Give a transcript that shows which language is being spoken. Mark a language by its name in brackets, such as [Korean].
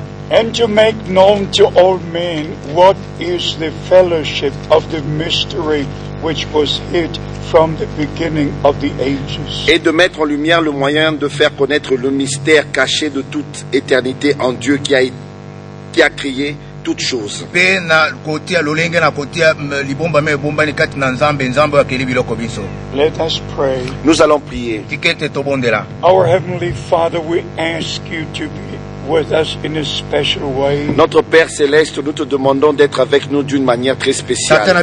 [English] And to make known to all men what is the fellowship of the mystery which was hid from the beginning of the ages. [French] Et de mettre en lumière le moyen de faire connaître le mystère caché de toute éternité en Dieu qui a créé toutes choses. [English] Let us pray. [French] Nous allons prier. [English] Our Heavenly Father, we ask you to be with us in a special way. [French] Notre Père céleste, nous te demandons d'être avec nous d'une manière très spéciale.